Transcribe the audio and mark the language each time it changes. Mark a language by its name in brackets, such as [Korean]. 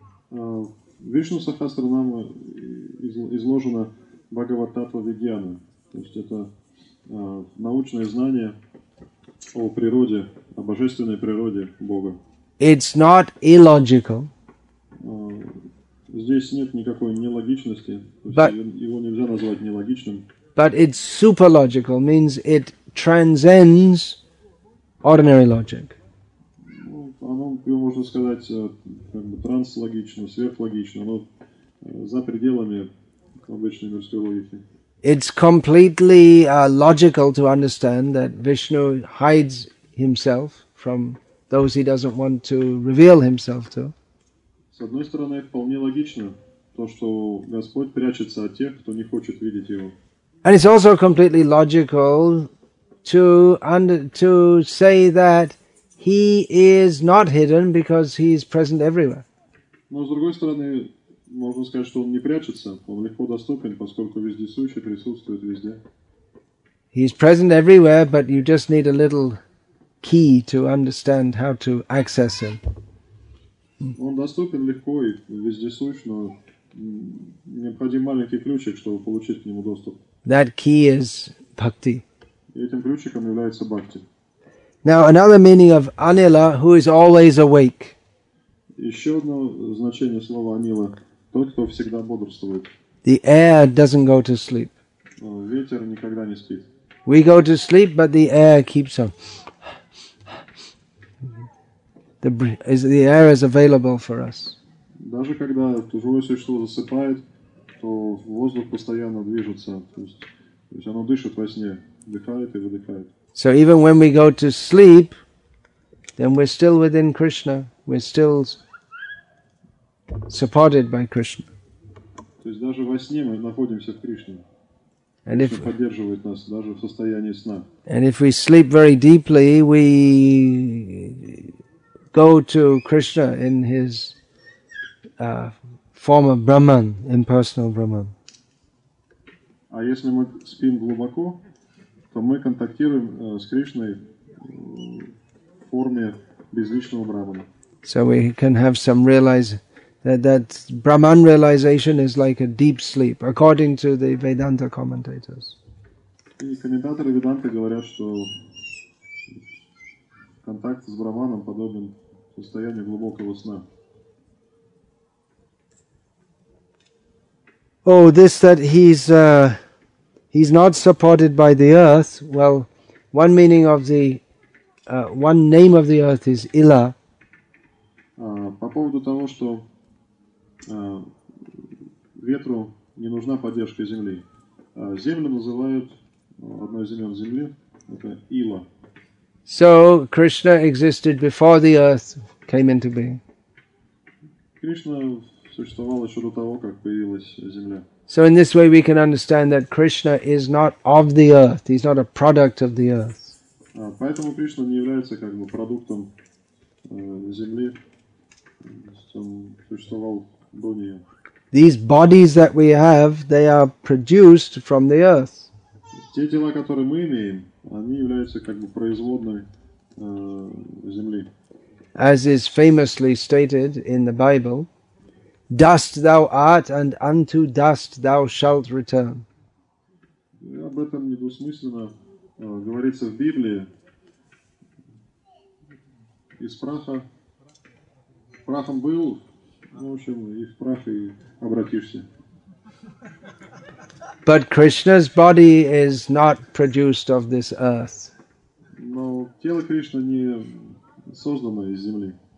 [Russian] Vishnu Sahasranama изложено Bhagavat Tattva Vijnana, то есть это научное знание о природе, о божественной природе Бога. [English] It's not illogical. [Russian] Здесь нет никакой нелогичности, его нельзя назвать нелогичным. [English] But it's super logical, means it transcends ordinary logic. [Russian] Его можно сказать как бы транслогично, сверхлогично, но за пределами обычной мирской логики. [English] It's completely logical to understand that Vishnu hides himself from those he doesn't want to reveal himself to. [Russian] С одной стороны, вполне логично то, что Господь прячется от тех, кто не хочет видеть его. [English] And it's also completely logical to say that He is not hidden because he is present everywhere. [Russian] Но с другой стороны, можно сказать, что он не прячется, он легко доступен, поскольку вездесущий присутствует везде. [English] He is present everywhere, but you just need a little key to understand how to access him. [Russian] Он доступен легко и вездесущ, но необходим маленький ключик, чтобы получить к нему доступ. [English] That key is bhakti. [Russian] Этим ключиком является бхакти. [English] Now another meaning of Anila, who is always awake. [Russian] Еще одно значение слова Анила – тот, кто всегда бодрствует. [English] The air doesn't go to sleep. [Russian] Ветер никогда не спит. [English] We go to sleep, but the air keeps on. The air is available for us. [Russian] Даже когда живое существо засыпает, то воздух постоянно движется. То есть оно дышит во сне, дыхает и выдыхает. [English] So even when we go to sleep, then we're still within Krishna. We're still supported by Krishna. [Russian] То есть даже во сне мы находимся в Кришне. [English] And if [Russian] поддерживает нас даже в состоянии сна. [English] And if we sleep very deeply, we go to Krishna in his form of Brahman, impersonal Brahman. [Russian] А если мы спим глубоко, то мы контактируем с Кришной в форме безличного Брахмана. [English] So we can have some realize that Brahman realization is like a deep sleep, according to the Vedanta commentators. [Russian] И комментаторы Веданты говорят, что контакт с Брахманом подобен состоянию глубокого сна. [English] Oh, this that he's not supported by the earth. Well, one meaning of the one name of the earth is Ila. [Russian] По поводу того, что ветру не нужна поддержка земли. Землю называют одной из имен земли, это Ила. [English] So Krishna existed before the earth came into being. [Russian] Кришна существовал еще до того, как появилась земля. [English] So in this way we can understand that Krishna is not of the earth, he's not a product of the earth. [Russian] Поэтому Кришна не является как бы продуктом земли, он существовал до нее. [English] These bodies that we have, they are produced from the earth. [Russian] Те тела, которые мы имеем, они являются как бы производной земли. [English] As is famously stated in the Bible, dust thou art, and unto dust thou shalt return. [Russian] Об этом недвусмысленно говорится в Библии. Из праха прахом был, в общем, и в прах и обратишься. [English] But Krishna's body is not produced of this earth. [Russian] Но тело Кришны не создано из земли.